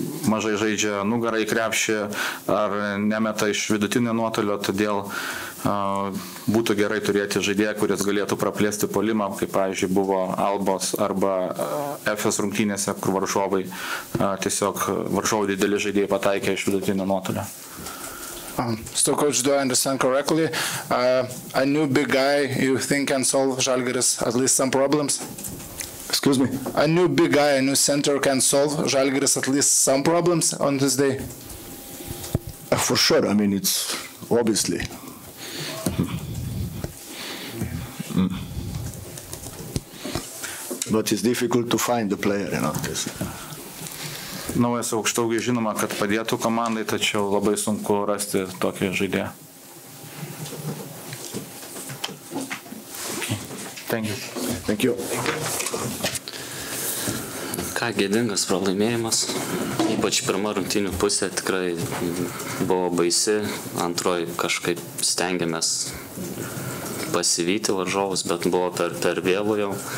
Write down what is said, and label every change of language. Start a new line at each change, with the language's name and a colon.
Lithuanian: mažai žaidžia nugarą į krepšį ar nemeta iš vidutinio nuotolio, todėl būtų gerai turėti žaidėją, kuris galėtų praplėsti polimą, kaip, pavyzdžiui, buvo Albos arba FS rungtynėse, kur varžovai tiesiog varžovai dideli žaidėjai pataikė iš vidutinio nuotolio.
English: So, coach, do I understand correctly? A new big guy, you think, can solve Žalgiris at least some problems? Excuse me? A new big guy, a new center can solve Žalgiris at least some problems on this day? For sure. I mean, it's obviously. But it's difficult to find the player, you know.
Lithuanian: Naujas aukštaugiai žinoma, kad padėtų komandai, tačiau labai sunku rasti tokį žaidėją.
English: Thank you. Thank you.
Lithuanian: Ką gėdingas pralaimėjimas, ypač pirma rungtynių pusė tikrai buvo baisi, antroji kažkaip stengiamės pasivyti varžovus, bet buvo per vėlų jau.